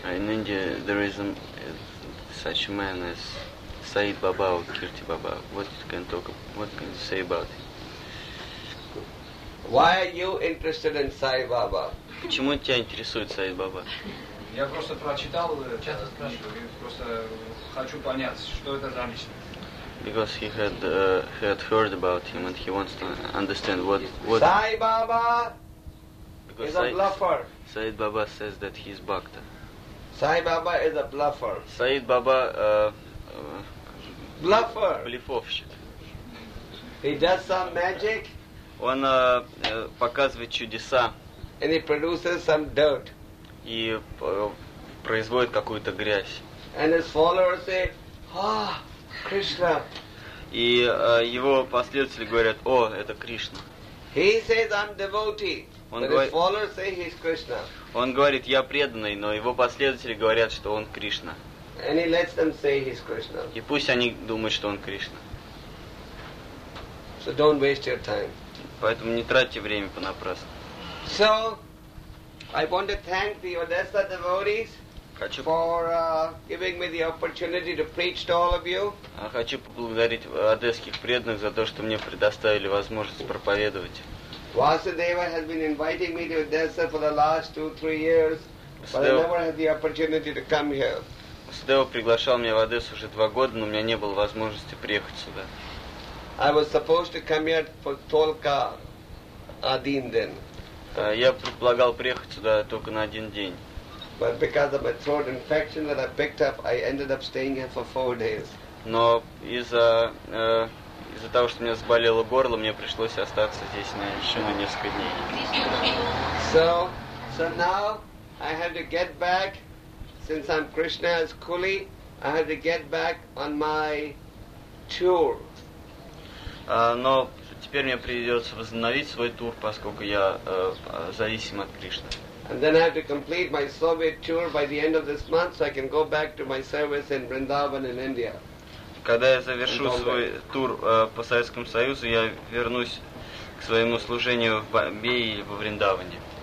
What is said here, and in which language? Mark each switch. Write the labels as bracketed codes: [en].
[en] In India there is such a man as Sai Baba or Kirti Baba. What can you say about him? Why are you interested in Sai Baba? [ru] Почему тебя интересует Сай Баба? Я просто прочитал, часто спрашиваю, просто хочу понять, что это за личность. [en] Because he had heard about him and he wants to understand what Sai Baba is a bluffer. Sai Baba says that he is Bhakta. Sai Baba is a bluffer. Sai Baba bluffer. [ru] Блефовщик. [en] He does some magic. [ru] Он показывает чудеса. [en] And he produces some dirt. [ru] И производит какую-то грязь. [en] And his followers say, "Ah, Krishna." [ru] И его последователи говорят, о, это Кришна. [en] He says, "I'm devotee." [ru] Он говорит, [en] his followers say he's Krishna. [ru] Он говорит, я преданный, но его последователи говорят, что он Кришна. [en] And he lets them say he's Krishna. [ru] И пусть они думают, что он Кришна. [en] So don't waste your time. [ru] Поэтому не тратьте время понапрасну. [en] So I want to thank the Odessa devotees for giving me the opportunity to preach to all of you. [ru] А хочу поблагодарить одесских преданных за то, что мне предоставили возможность проповедовать. [en] Vasudeva has been inviting me to Odessa for the last 2-3 years, but I never had the opportunity to come here. [ru] Vasudeva приглашал меня в Одессу уже 2 года, но у меня не было возможности приехать сюда. [en] I was supposed to come here for [ru] только один день. Я предполагал приехать сюда только на один день. Но из-за того, что у меня заболело горло, мне пришлось остаться здесь на еще на несколько дней. [en] So now I have to get back, since I'm Krishna's kuli, I have to get back on my tour. [ru] Но теперь мне придется возобновить свой тур, поскольку я зависим от Кришны. [en] And then I have to complete my Soviet tour by the end of this month, so I can go back to my service in Vrindavan in India. [ru] Когда я завершу свой тур по Советскому Союзу, я вернусь к своему служению в Бомбее или во Вриндаване.